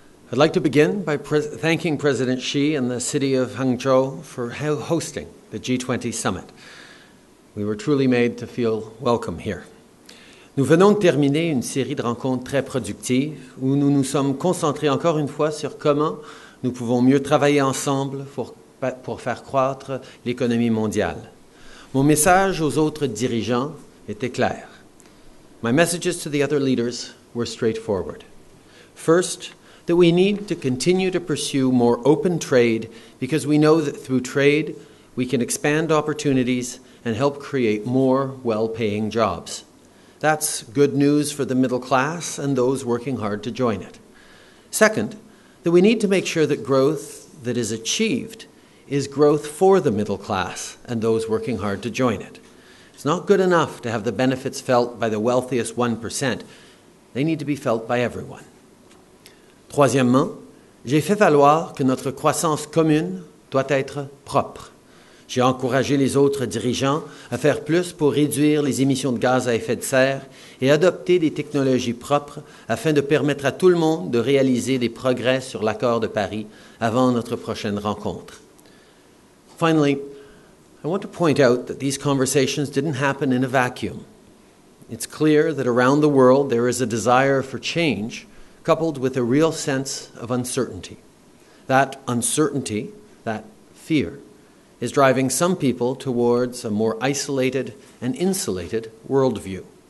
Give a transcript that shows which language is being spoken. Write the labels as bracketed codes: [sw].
[en] I'd like to begin by thanking President Xi and the city of Hangzhou for hosting the G20 summit. We were truly made to feel welcome here. [fr] Nous venons de terminer une série de rencontres très productives où nous nous sommes concentrés encore une fois sur comment nous pouvons mieux travailler ensemble pour faire croître l'économie mondiale. Mon message aux autres dirigeants était clair. [en] My messages to the other leaders were straightforward. First, that we need to continue to pursue more open trade because we know that through trade, we can expand opportunities and help create more well-paying jobs. That's good news for the middle class and those working hard to join it. Second, that we need to make sure that growth that is achieved is growth for the middle class and those working hard to join it. It's not good enough to have the benefits felt by the wealthiest 1%. They need to be felt by everyone. [fr] Troisièmement, j'ai fait valoir que notre croissance commune doit être propre. J'ai encouragé les autres dirigeants à faire plus pour réduire les émissions de gaz à effet de serre et adopter des technologies propres afin de permettre à tout le monde de réaliser des progrès sur l'accord de Paris avant notre prochaine rencontre. [en] Finally, I want to point out that these conversations didn't happen in a vacuum. It's clear that around the world there is a desire for change coupled with a real sense of uncertainty. That uncertainty, that fear, is driving some people towards a more isolated and insulated worldview.